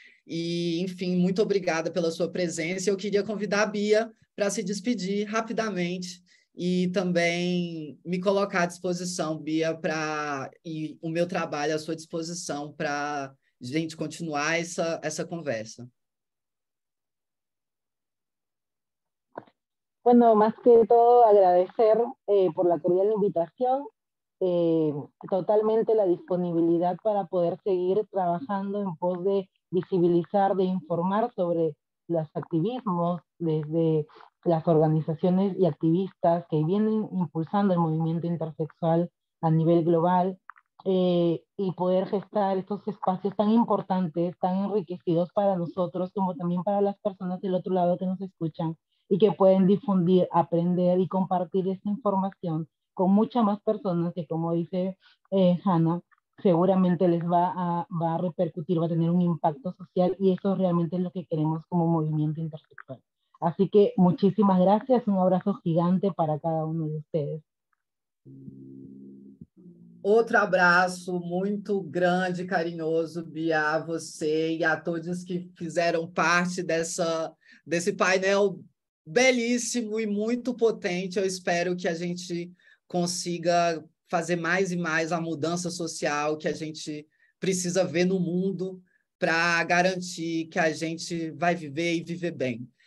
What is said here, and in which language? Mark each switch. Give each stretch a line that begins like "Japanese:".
Portuguese: E, enfim, muito obrigada pela sua presença. Eu queria convidar a Bia para se despedir rapidamente e também me colocar à disposição, Bia, e o meu trabalho à sua disposição para a gente continuar essa conversa.
Spanish: Bueno, más que todo agradecer por la cordial invitación, totalmente la disponibilidad para poder seguir trabajando en pos de visibilizar, de informar sobre los activismos desde las organizaciones y activistas que vienen impulsando el movimiento intersexual a nivel global y poder gestar estos espacios tan importantes, tan enriquecidos para nosotros como también para las personas del otro lado que nos escuchan y que pueden difundir, aprender y compartir esta información con muchas más personas que, como dice Hannah, seguramente les va a repercutir, va a tener un impacto social, y eso realmente es lo que queremos como movimiento intersexual. Así que muchísimas gracias, un abrazo gigante para cada uno de ustedes. Otro abrazo muy grande, cariñoso,
Portuguese: Bia, a você y a todos que fizeram parte desse painel belíssimo e muito potente. Eu espero que a gente consiga fazer mais e mais a mudança social que a gente precisa ver no mundo para garantir que a gente vai viver e viver bem.